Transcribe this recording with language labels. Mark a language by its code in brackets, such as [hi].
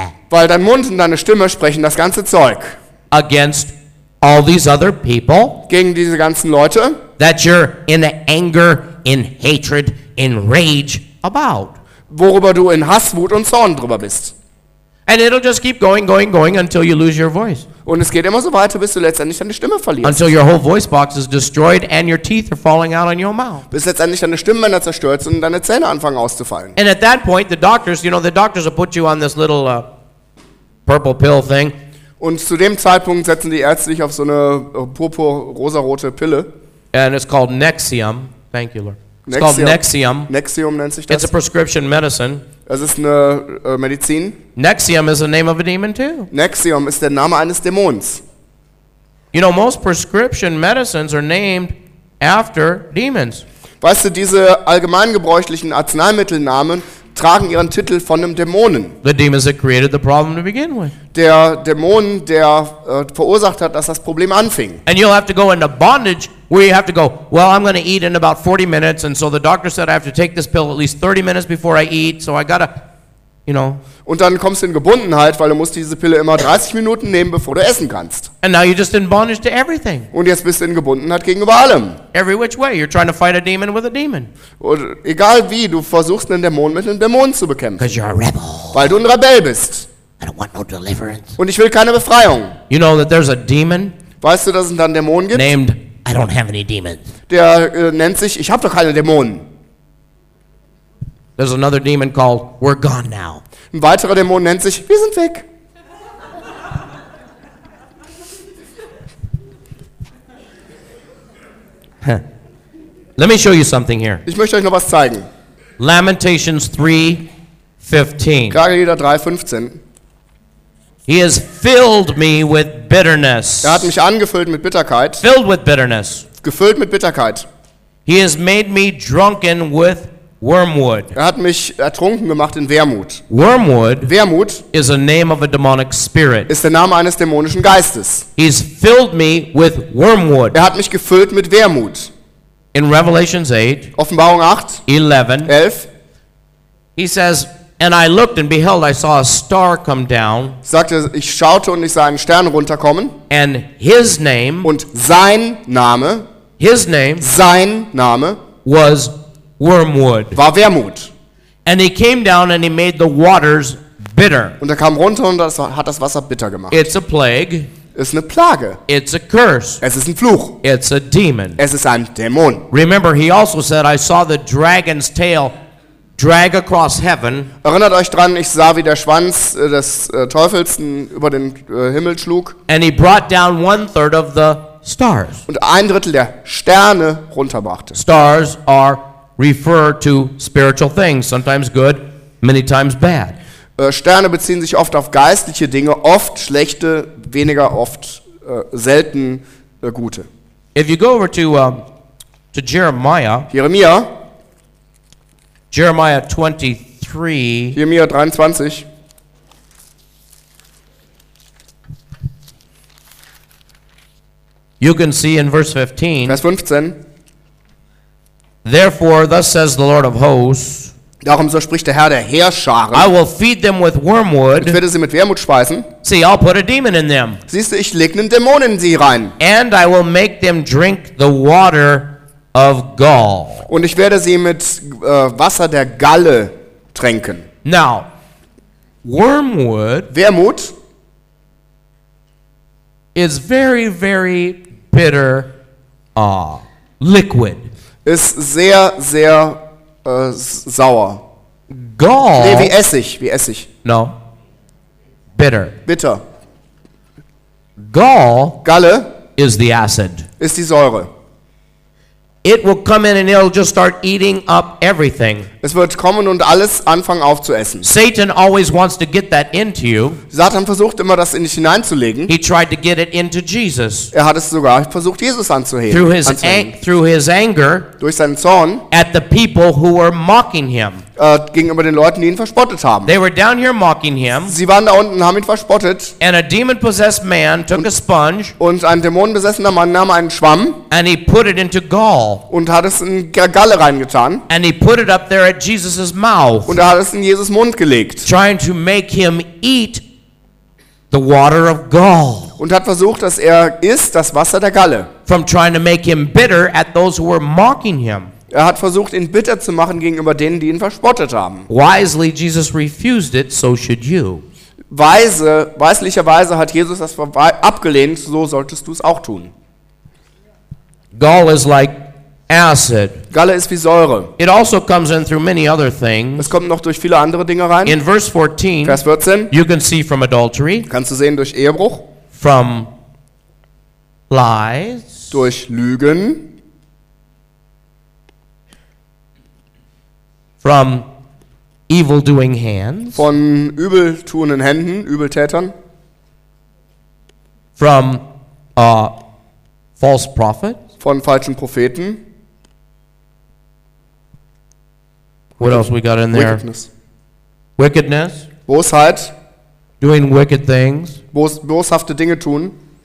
[de] Weil dein Mund und deine Stimme sprechen das ganze Zeug. [en] Against all these other people. [de] Gegen diese ganzen Leute. [en] That you're in anger, in hatred, in rage about. [de] Worüber du in Hass, Wut und Zorn drüber bist. [en] And it'll just keep going until you lose your voice. [de] Und es geht immer so weiter, bis du letztendlich deine Stimme verlierst. [en] Until your whole voice box is destroyed and your teeth are falling out in your mouth. [de] Bis letztendlich deine Stimmbänder zerstört und deine Zähne anfangen auszufallen. [en] And at that point, the doctors will put you on this little purple pill thing. [de] Und zu dem Zeitpunkt setzen die Ärzte dich auf so eine purpur-rosa-rote Pille. [en] And it's called Nexium. Thank you, Lord. It's called Nexium. [de] Nexium nennt sich das. [en] It's a prescription medicine. [de] Es ist eine Medizin. [en] Nexium is the name of a demon too. [de] Nexium ist der Name eines Dämons. [en] You know, most prescription medicines are named after demons. [de] Weißt du, diese allgemeingebräuchlichen Arzneimittelnamen tragen ihren Titel von einem Dämonen. [en] The demons that created the problem to begin with. [de] Der Dämon, der verursacht hat, dass das Problem anfing. [en] And you'll have to go into bondage where you have to go, well, I'm going to eat in about 40 minutes and so the doctor said I have to take this pill at least 30 minutes before I eat, so I gotta, you know. [de] Und dann kommst du in Gebundenheit, weil du musst diese Pille immer 30 Minuten nehmen, bevor du essen kannst. [en] And now you're just in bondage to everything. [de] Und jetzt bist du in Gebundenheit gegenüber allem. [en] Every which way, you're trying to fight a demon with a demon. [de] Und egal wie, du versuchst einen Dämon mit einem Dämon zu bekämpfen. [en] Because you're a rebel. [de] Weil du ein Rebell bist. [en] I don't want no deliverance. [de] Und ich will keine Befreiung. [en] You know that there's a demon. [de] Weißt du, dass es dann Dämonen gibt? [en] Named I don't have any demons. [de] Der nennt sich, ich habe doch keine Dämonen. [en] There's another demon called We're Gone Now. [de] Ein weiterer Dämon nennt sich Wir sind weg. [en] Let me show you something here. [de] Ich möchte euch noch was zeigen. [en] Lamentations 3:15. [de] Klagelieder 3:15. [en] He has filled me with bitterness. [de] Er hat mich angefüllt mit Bitterkeit. [en] Filled with bitterness. [de] Gefüllt mit Bitterkeit. [en] He has made me drunken with wormwood. [de] Er hat mich ertrunken gemacht in Wermut. [en] Wormwood. [de] Wermut [en] is a name of a demonic spirit. [de] Ist der Name eines dämonischen Geistes. [en] He's filled me with wormwood. [de] Er hat mich gefüllt mit Wermut. [en] In Revelations 8. [de] Offenbarung 8. 11. 11. [en] He says, and I looked and beheld, I saw a star come down. [de] Sagte, ich schaute und ich sah einen Stern runterkommen. [en] And his name. [de] Und sein Name. [en] His name. [de] Sein Name. [en] Was Wormwood. [de] War Wermut. [en] And he came down and he made the waters bitter. [de] Und er kam runter und das hat das Wasser bitter gemacht. [en] It's a plague. [de] Ist eine Plage. [en] It's a curse. [de] Es ist ein Fluch. [en] It's a demon. [de] Es ist ein Dämon. [en] Remember, he also said, I saw the dragon's tail drag across heaven. [de] Erinnert euch dran, ich sah, wie der Schwanz des Teufels über den Himmel schlug. [en] And he brought down one third of the stars. [de] Und ein Drittel der Sterne runterbrachte. [en] Stars are refer to spiritual things, sometimes good, many times bad. [de] Sterne beziehen sich oft auf geistliche Dinge, oft schlechte, weniger oft selten gute. [en] If you go over to Jeremiah. [de] Jeremiah. Jeremiah 23. Jeremiah 23. [en] You can see in verse 15. [de] Vers 15. [en] Therefore, thus says the Lord of hosts. [de] Darum so spricht der Herr der Heerscharen. [en] I will feed them with wormwood. [de] Ich werde sie mit Wermut speisen. [en] See, I'll put a demon in them. [de] Siehst du, ich lege einen Dämon in sie rein. [en] And I will make them drink the water of gall. [de] Und ich werde sie mit Wasser der Galle tränken. [en] Now, wormwood. [de] Wermut [en] is very, very bitter liquid. [de] Ist sehr, sehr sauer. [en] Gall. [de] Nee, wie Essig, wie Essig. [en] No. Bitter. [de] Bitter. [en] Gall. [de] Galle. [en] Is the acid. [de] Ist die Säure. [en] It will come in and it'll just start eating up everything. [de] Es wird kommen und alles anfangen aufzuessen. [en] Satan always wants to get that into you. [de] Satan versucht immer das in dich hineinzulegen. [en] He tried to get it into Jesus. [de] Er hat es sogar versucht Jesus anzuheben. [en] Through his anger. [de] Durch seinen Zorn. [en] At the people who were mocking him. [de] Gegenüber den Leuten, die ihn verspottet haben. [en] They were down here mocking him. [de] Sie waren da unten, haben ihn verspottet. [en] And a demon-possessed man took a sponge. [de] Und ein dämonenbesessener Mann nahm einen Schwamm. [en] And he put it into gall. [de] Und hat es in Galle reingetan. [en] And he put it up there at Jesus' mouth. [de] Und er hat es in Jesus' Mund gelegt. [en] Trying to make him eat the water of gall. [de] Und hat versucht, dass er isst das Wasser der Galle. [en] From trying to make him bitter at those who were mocking him. [de] Er hat versucht, ihn bitter zu machen gegenüber denen, die ihn verspottet haben. [en] Wisely, Jesus refused it, so should you. [de] Weislicherweise hat Jesus das abgelehnt, so solltest du es auch tun. [en] Gall is like acid. [de] Galle ist wie Säure. [en] It also comes in through many other things. [de] Es kommt noch durch viele andere Dinge rein. [en] In verse 14, [de] Vers 14, [en] you can see from adultery, [de] kannst du sehen durch Ehebruch, [en] from lies, [de] durch Lügen, [en] from evil doing hands, [de] von übel tuenden Händen, Übeltätern, [en] from false prophets, [de] von falschen Propheten. [en] What else we got in there? Wickedness. Wickedness. [de] Bosheit. [en] Doing wicked things. [de] Boshafte Dinge tun.